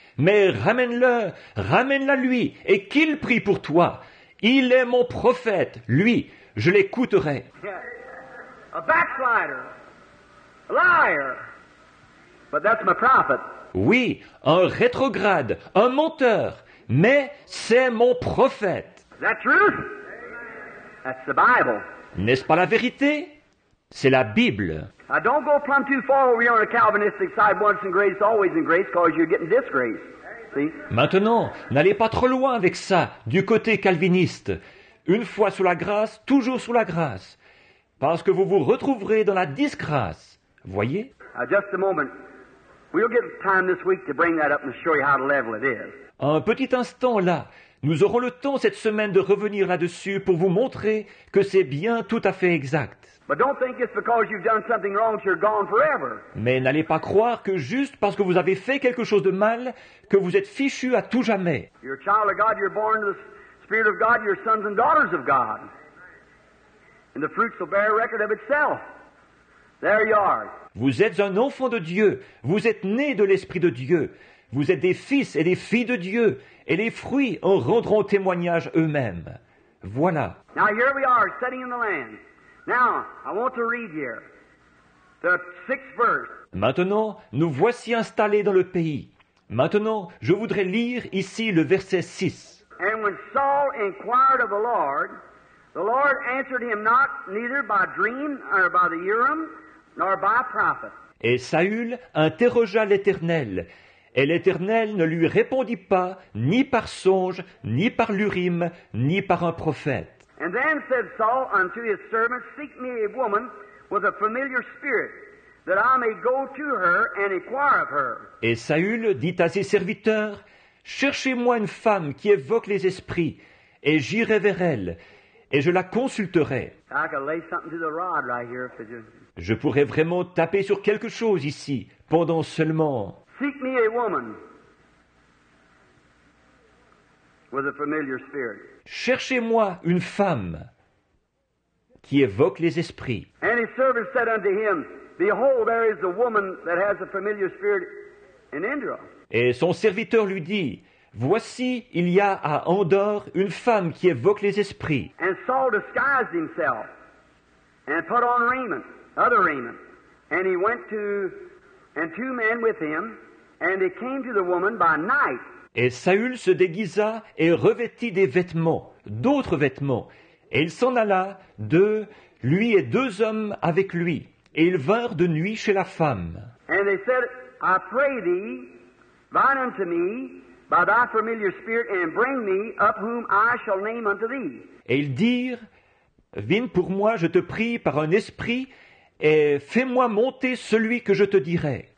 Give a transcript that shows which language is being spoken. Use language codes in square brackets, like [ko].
[fr] mais ramène-le, ramène-la lui, et qu'il prie pour toi. Il est mon prophète, lui, je l'écouterai. [en] A backslider, a liar, but that's my prophet. [fr] Oui, un rétrograde, un menteur, mais c'est mon prophète. [en] Is that true? That's the Bible. [fr] N'est-ce pas la vérité? C'est la Bible. [en] Now don't go plumb too far over here on the Calvinistic side, once in grace, always in grace, because you're getting disgrace. [fr] Maintenant, n'allez pas trop loin avec ça, du côté calviniste. Une fois sous la grâce, toujours sous la grâce. Parce que vous vous retrouverez dans la disgrâce. Voyez? [en] Just a moment. We'll get time this week to bring that up and show you how level it is. [fr] Un petit instant là. Nous aurons le temps cette semaine de revenir là-dessus pour vous montrer que c'est bien tout à fait exact. [en] But don't think it's because you've done something wrong you're gone forever. [fr] Mais n'allez pas croire que juste parce que vous avez fait quelque chose de mal, que vous êtes fichu à tout jamais. [en] You're a child of God, you're born to the Spirit of God, you're sons and daughters of God. And the fruits will bear record of itself. There you are. [fr] Vous êtes un enfant de Dieu, vous êtes né de l'Esprit de Dieu, vous êtes des fils et des filles de Dieu, et les fruits en rendront témoignage eux-mêmes. Voilà. [en] Now here we are, sitting in the land. Now, I want to read here, the sixth verse. [fr] Maintenant, nous voici installés dans le pays. Maintenant, je voudrais lire ici le verset 6. [en] And when Saul inquired of the Lord answered him not, neither by dream, or by the Urim, nor by prophet. [fr] Et Saül interrogea l'Éternel, et l'Éternel ne lui répondit pas, ni par songe, ni par l'Urim, ni par un prophète. [en] And then said Saul unto his servant, Seek me a woman with a familiar spirit, that I may go to her and inquire of her. [fr] Et Saül dit à ses serviteurs, Cherchez-moi une femme qui évoque les esprits, et j'irai vers elle, et je la consulterai. [en] I could lay something to the rod right here for you. [fr] Je pourrais vraiment taper sur quelque chose ici, pendant seulement... [en] Seek me a woman with a familiar spirit. [fr] Cherchez-moi une femme qui évoque les esprits. [en] And his servant said unto him, Behold, there is a woman that has a familiar spirit in Endor. [fr] Et son serviteur lui dit, Voici, il y a à Endor une femme qui évoque les esprits. [en] And Saul disguised himself and put on raiment, other raiment. And he went to, and two men with him, and they came to the woman by night. [fr] Et Saül se déguisa et revêtit des vêtements, d'autres vêtements. Et il s'en alla, deux, lui et deux hommes avec lui. Et ils vinrent de nuit chez la femme. [en] And they said, I pray thee, vine unto me by thy familiar spirit, and bring me up whom I shall name unto thee. [fr] Et ils dirent, vine pour moi, je te prie, par un esprit, et fais-moi monter celui que je te dirai.